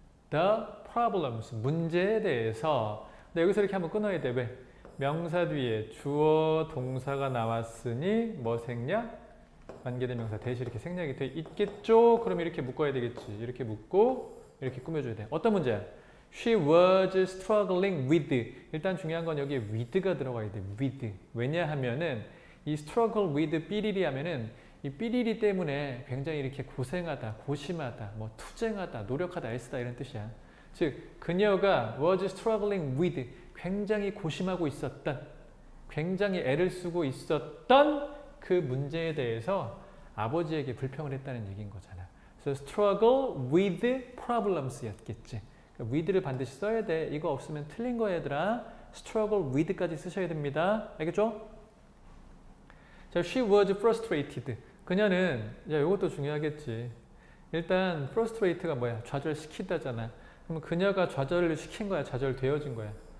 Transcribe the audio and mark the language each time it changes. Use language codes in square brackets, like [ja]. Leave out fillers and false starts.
[en] The problems [ko] 문제에 대해서. 근데 여기서 이렇게 한번 끊어야 돼. 왜? 명사 뒤에 주어 동사가 나왔으니 뭐 생략? 관계대명사 대시 이렇게 생략이 돼 있겠죠? 그럼 이렇게 묶어야 되겠지. 이렇게 묶고 이렇게 꾸며줘야 돼. 어떤 문제야? [en] She was struggling with. [ko] 일단 중요한 건 여기에 with가 들어가야 돼. [en] with. [ko] 왜냐하면은 이 struggle with 삐리리 하면은 이 삐리리 때문에 굉장히 이렇게 고생하다, 고심하다, 뭐 투쟁하다, 노력하다, 애쓰다 이런 뜻이야. 즉, 그녀가 [en] was struggling with [ko] 굉장히 고심하고 있었던, 굉장히 애를 쓰고 있었던 그 문제에 대해서 아버지에게 불평을 했다는 얘기인 거잖아. [en] So struggle with problems였겠지. [ko] with를 반드시 써야 돼. 이거 없으면 틀린 거야, 얘들아. struggle with까지 쓰셔야 됩니다. 알겠죠? 자, [en] she was frustrated. [ko] 그녀는, 야, 이것도 중요하겠지. 일단 frustrated가 뭐야? 좌절시키다잖아. 그럼 그녀가 좌절을 시킨 거야, 좌절되어진 거야.